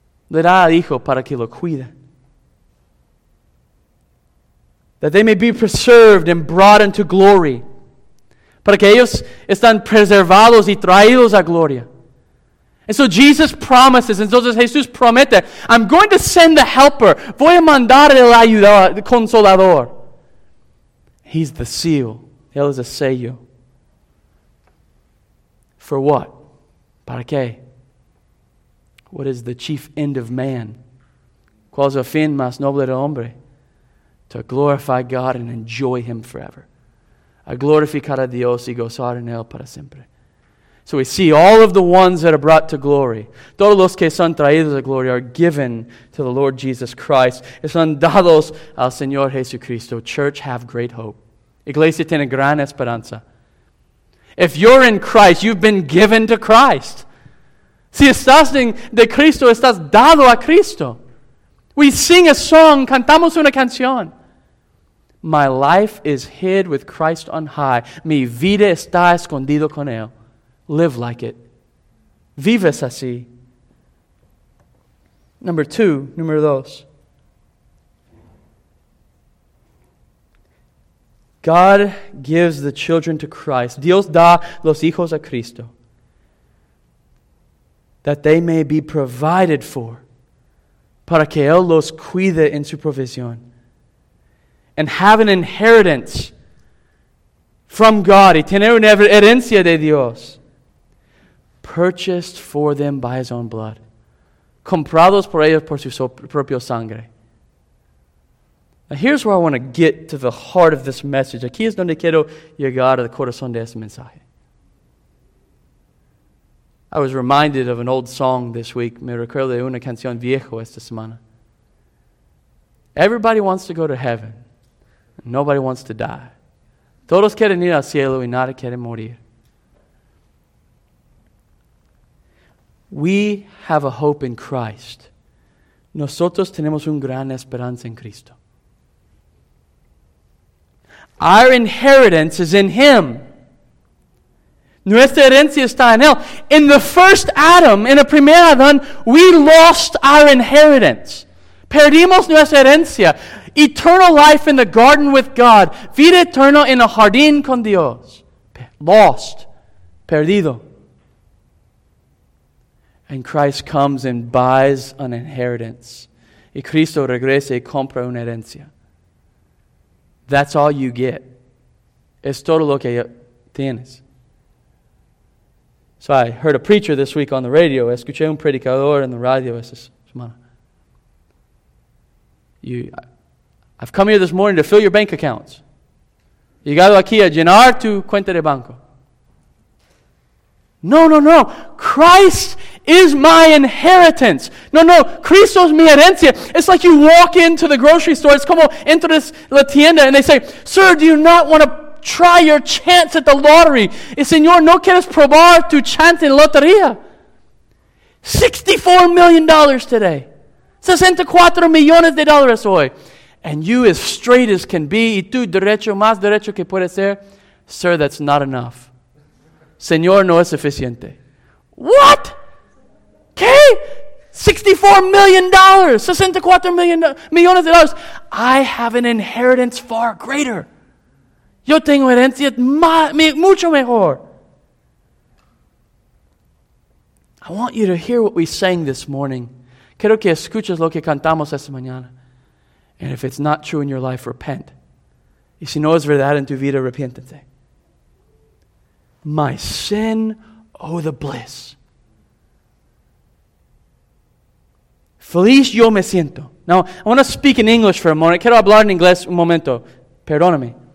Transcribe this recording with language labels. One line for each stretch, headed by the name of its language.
Spanish: Le da al Hijo para que lo cuide.
English: That they may be preserved and brought into glory.
Spanish: Para que ellos están preservados y traídos a gloria.
English: And so Jesus promises, and so
Spanish: Jesús promete,
English: I'm going to send the helper.
Spanish: Voy a mandar el ayudador, el consolador.
English: He's the seal.
Spanish: Él es el sello.
English: For what?
Spanish: Para qué?
English: What is the chief end of man?
Spanish: ¿Cuál es el fin más noble del hombre?
English: To glorify God and enjoy him forever.
Spanish: A glorificar a Dios y gozar en él para siempre.
English: So we see all of the ones that are brought to glory.
Spanish: Todos los que son traídos a gloria
English: are given to the Lord Jesus Christ.
Spanish: Son dados al Señor Jesucristo.
English: Church, have great hope.
Spanish: Iglesia tiene gran esperanza.
English: If you're in Christ, you've been given to Christ.
Spanish: Si estás en de Cristo, estás dado a Cristo.
English: We sing a song,
Spanish: cantamos una canción.
English: My life is hid with Christ on high.
Spanish: Mi vida está escondido con él.
English: Live like it.
Spanish: Vives así. Número dos.
English: God gives the children to Christ.
Spanish: Dios da los hijos a Cristo.
English: That they may be provided for.
Spanish: Para que él los cuide en su provisión.
English: And have an inheritance from God.
Spanish: Y tener una herencia de Dios.
English: Purchased for them by his own blood.
Spanish: Comprados por ellos por su propio sangre.
English: Now here's where I want to get to the heart of this message.
Spanish: Aquí es donde quiero llegar al corazón de este mensaje.
English: I was reminded of an old song this week.
Spanish: Me recuerdo de una canción viejo esta semana.
English: Everybody wants to go to heaven. Nobody wants to die.
Spanish: Todos quieren ir al cielo y nadie quiere morir.
English: We have a hope in Christ.
Spanish: Nosotros tenemos una gran esperanza en Cristo.
English: Our inheritance is in Him.
Spanish: Nuestra herencia está en Él.
English: In the first Adam, in the
Spanish: primer Adán,
English: we lost our inheritance.
Spanish: Perdimos nuestra herencia.
English: Eternal life in the garden with God.
Spanish: Vida eterna en el jardín con Dios.
English: Lost.
Spanish: Perdido.
English: And Christ comes and buys an inheritance.
Spanish: Y Cristo regresa y compra una herencia.
English: That's all you get.
Spanish: Es todo lo que tienes.
English: So I heard a preacher this week on the radio.
Spanish: Escuché un predicador en la radio esta semana.
English: I've come here this morning to fill your bank accounts.
Spanish: Llegado aquí a llenar tu cuenta de banco.
English: No, no, no. Christ is my inheritance. No, no.
Spanish: Cristo es mi herencia.
English: It's like you walk into the grocery store. It's
Spanish: como entras la tienda
English: and they say, sir, do you not want to try your chance at the lottery?
Spanish: Y señor, ¿no quieres probar tu chance en lotería?
English: $64 million today.
Spanish: 64 millones de dólares hoy.
English: And you as straight as can be.
Spanish: Y tú derecho, más derecho que puedes ser.
English: Sir, that's not enough.
Spanish: Señor, no es suficiente.
English: What?
Spanish: ¿Qué? $64 million. 64 million, millones de dólares.
English: I have an inheritance far greater.
Spanish: Yo tengo herencia mucho mejor.
English: I want you to hear what we sang this morning.
Spanish: Quiero que escuches lo que cantamos esta mañana.
English: And if it's not true in your life, repent.
Spanish: Y si no es verdad en tu vida, arrepiéntete.
English: My sin, oh the bliss.
Spanish: Feliz yo me siento.
English: Now, I want to speak in English for a moment.
Spanish: Quiero hablar en inglés un momento. Perdóname.